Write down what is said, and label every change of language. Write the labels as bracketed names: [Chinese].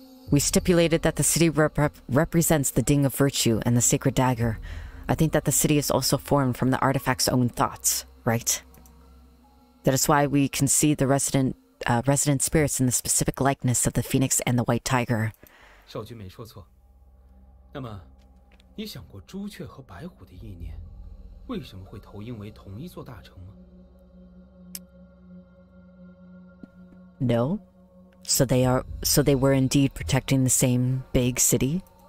[English] We stipulated that the city represents the Ding of Virtue and the Sacred Dagger. I think that the city is also formed from the artifact's own thoughts, right? That is why we can see the resident spirits in the specific likeness of the phoenix and the white tiger. [Chinese] 少君没说错。那么，你想过朱雀和白虎的意念，为什么会投影为同一座大城吗？ [English] No? So they were indeed protecting the same big city?